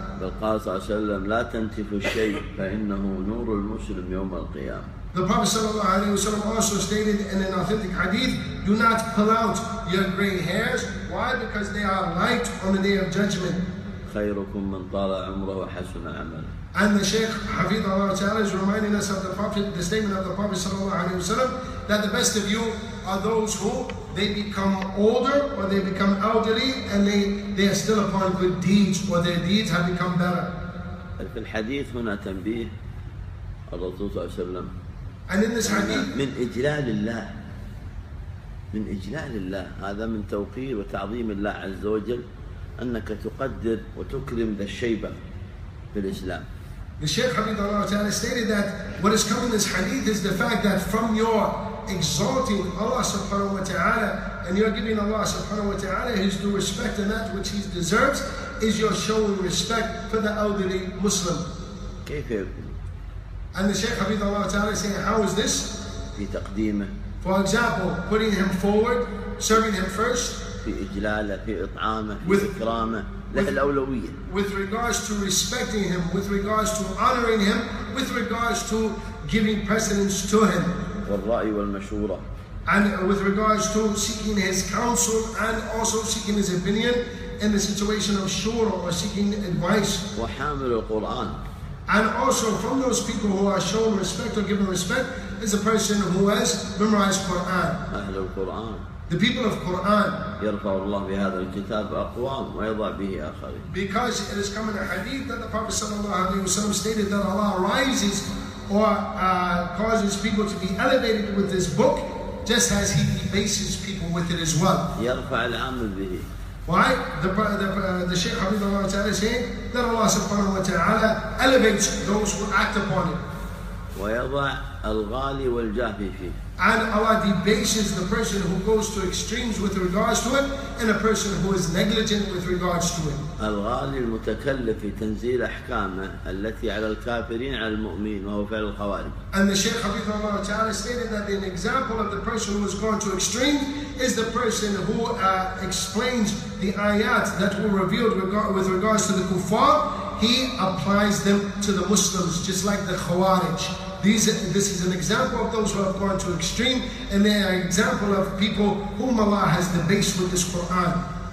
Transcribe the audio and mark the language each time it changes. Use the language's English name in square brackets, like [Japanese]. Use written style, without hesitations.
[English] The Prophet sallallahu alayhi wa sallam [Arabic] لا تنتف الشيء فإنه نور المسلم يوم القيامة. [English] The Prophet sallallahu alayhi wa sallam also stated in an authentic hadith, do not pull out your gray hairs. Why? Because they are light on the day of judgment. [Arabic] خيركم من طال عمره وحسن عمله. [English] And the Shaykh Hafidh Allah Ta'ala is reminding us of the Prophet, the statement of the Prophet Sallallahu Alaihi Wasallam, that the best of you are those who they become older or they become elderly and they are still upon good deeds or their deeds have become better. [Arabic] في الحديث هنا تنبيه الرسول صلى الله عليه وسلم. [English] And in this hadith, [Arabic] من إجلال الله, من إجلال الله, هذا من توقير وتعظيم الله عز وجل أنك تقدر وتكرم ذا الشيبة في الإسلام. [English] The Shaykh [Arabic] حفظه الله تعالى [English] stated that what has come in this hadith is the fact that from your exalting Allah subhanahu wa ta'ala and you're giving Allah subhanahu wa ta'ala his due respect and that which he deserves is your showing respect for the elderly Muslim. [Arabic] كيف يكون؟ [English] And the Shaykh [Arabic] حفظه الله تعالى [English] is saying, how is this? [Arabic] في تقديمه. [English] For example, putting him forward, serving him first. [Arabic] في إجلاله, في إطعامه, في إكرامه. [English] With regards to respecting him, with regards to honoring him, with regards to giving precedence to him. [Arabic] والرأي والمشورة. [English] And with regards to seeking his counsel and also seeking his opinion in the situation of shura or seeking advice. [Arabic] وحامل القرآن. [English] And also from those people who are shown respect or given respect is a person who has memorized Quran. [Arabic] أهل القرآن. [English] The people of Quran. [Arabic] يرفع الله بهذا الكتاب أقوام ويضع به آخرين. [English] Because it has come in a hadith that the Prophet [Arabic] صلى الله عليه وسلم [English] stated that Allah rises or causes people to be elevated with this book, just as He debases people with it as well. [Arabic] يرفع العامل به. [English] Why? The Shaykh Habib Allah Ta'ala saying that Allah subhanahu wa ta'ala elevates those who act upon it. [Arabic] ويضع الغالي والجافي فيه. [English] And Allah debases the person who goes to extremes with regards to it and a person who is negligent with regards to it. [Arabic] الغالي المتكلف في تنزيل أحكامه التي على الكافرين على المؤمنين وهو فعل الخوارج. [English] And the Shaykh Habib Allah Ta'ala stated that an example of the person who is going to extremes is the person who explains the ayat that were revealed with regards to the kuffar. He applies them to the Muslims just like the khawarij. This is an example of those who have gone to extreme, and they are an example of people whom Allah has debased with this Quran.